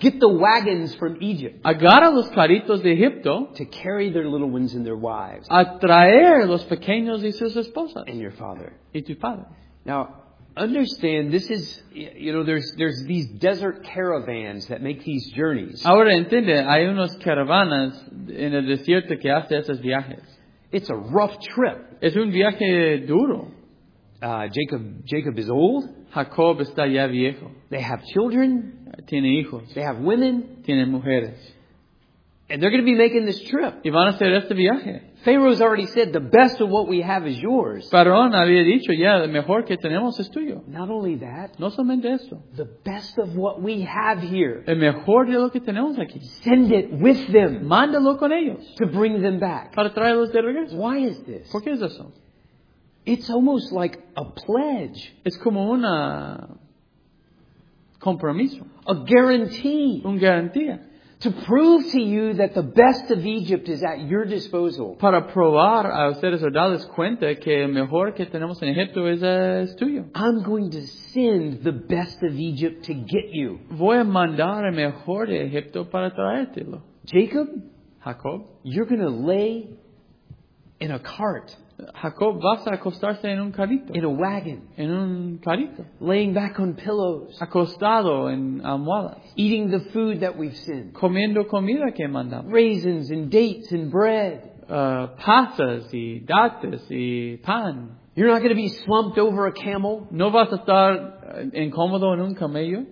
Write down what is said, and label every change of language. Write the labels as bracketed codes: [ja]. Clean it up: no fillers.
[en] Get the wagons from Egypt. [es] Agarra los carritos de Egipto. [en] To carry their little ones and their wives. [es] A traer los pequeños y sus esposas. [en] And your father. [es] Y tu padre. [en] Now, understand, this is, you know, there's these desert caravans that make these journeys. [es] Ahora entiende, hay unas caravanas en el desierto que hace esos viajes. [en] It's a rough trip. [es] Es un viaje duro. [en] Jacob is old. [es] Jacob está ya viejo. [en] They have children. [es] Tiene hijos. [en] They have women. [es] Tienen mujeres. [en] And they're going to be making this trip. [es] Y van a hacer este viaje. [en] Pharaoh's already said, the best of what we have is yours. [es] Faraón había dicho, ya, lo mejor que tenemos es tuyo. [en] Not only that. [es] No solamente eso. [en] The best of what we have here. [es] El mejor de lo que tenemos aquí. [en] Send it with them. [es] Mándalo con ellos. [en] To bring them back. [es] Para traerlos de regreso. [en] Why is this? [es] ¿Por qué es eso? [en] It's almost like a pledge. [es] Es como una compromiso. [en] A guarantee. [es] Un garantía. [en] To prove to you that the best of Egypt is at your disposal. [es] Para probar a ustedes o darles cuenta que el mejor que tenemos en Egipto es tuyo. [en] I'm going to send the best of Egypt to get you. [es] Voy a mandar el mejor de Egipto para traértelo. [en] Jacob. [es] Jacob. [en] You're going to lay in a cart. [es] Jacob, vas a acostarse en un carrito. [en] In a wagon. [es] En un carrito. [en] Laying back on pillows. [es] Acostado en almohadas. [en] Eating the food that we've sent. [es] Comiendo comida que mandamos. [en] Raisins and dates and bread. [es] Pasas y [en] dates [es] y pan. [en] You're not going to be slumped over a camel. [es] No vas a estar incómodo en un camello.